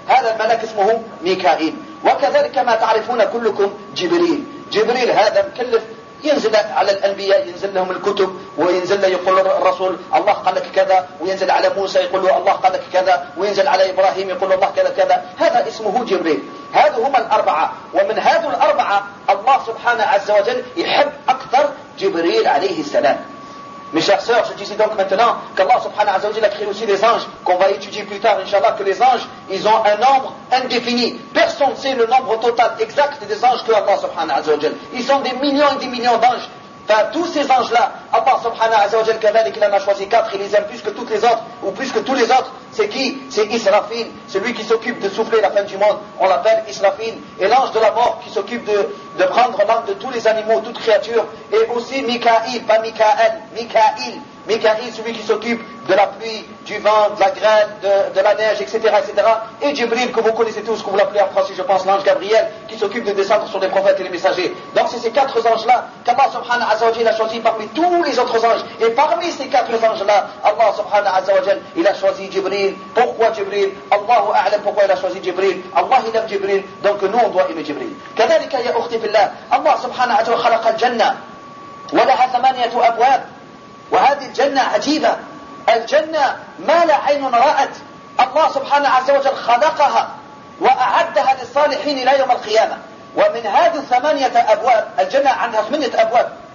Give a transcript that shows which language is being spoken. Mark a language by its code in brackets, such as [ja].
[ar] هذا الملك اسمه ميكائيل. وكذلك ما تعرفون كلكم جبريل، جبريل هذا مكلف ينزل على الأنبياء، ينزل لهم الكتب، وينزل يقول الرسول الله قال لك كذا، وينزل على موسى يقول له الله قال لك كذا، وينزل على إبراهيم يقول له الله كذا كذا، هذا اسمه جبريل. هذا هما الأربعة، ومن هذا الأربعة الله سبحانه عز وجل يحب أكثر جبريل عليه السلام. [fr] Mes chers sœurs, je disais donc maintenant qu'Allah subhanahu wa ta'ala a créé aussi les anges, qu'on va étudier plus tard, inshallah, que les anges, ils ont un nombre indéfini. Personne ne sait le nombre total exact des anges que Allah subhanahu wa ta'ala. Ils sont des millions et des millions d'anges. Enfin, tous ces anges-là, Allah subhanahu wa ta'ala, kadhalik, il en a choisi 4, il les aime plus que toutes les autres, ou plus que tous les autres. C'est qui? C'est Israfil, celui qui s'occupe de souffler la fin du monde. On l'appelle Israfil. Et l'ange de la mort qui s'occupe de prendre l'âme de tous les animaux, toutes créatures. Et aussi Mikaïl, pas Mikaël, Mikaïl. Mikaïl, celui qui s'occupe de la pluie, du vent, de la graine, de la neige, etc., etc. Et Jibril, que vous connaissez tous, que vous l'appelez en français, je pense, l'ange Gabriel, qui s'occupe de descendre sur les prophètes et les messagers. Donc c'est ces quatre anges-là qu'Allah subhanahu azza wa jalla a choisi parmi tous les autres anges. Et parmi ces quatre anges-là, Allah subhanahu azza wa jalla, il a choisi Jibril. Pourquoi Jibril? Allahu a'lam pourquoi il a choisi Jibril. Allah il aime Jibril, donc nous on doit aimer Jibril. [ar] كذلك يا أختي بالله الله سبحانه وتعالى خلق الجنة ولها ثمانية أبواب وهذه الجنة عجيبة الجنة ما لا عين رأت الله سبحانه عز وجل خلقها وأعدها للصالحين إلى يوم القيامة ومن هذه الثمانية أبواب الجنة عندها ثمانية أبواب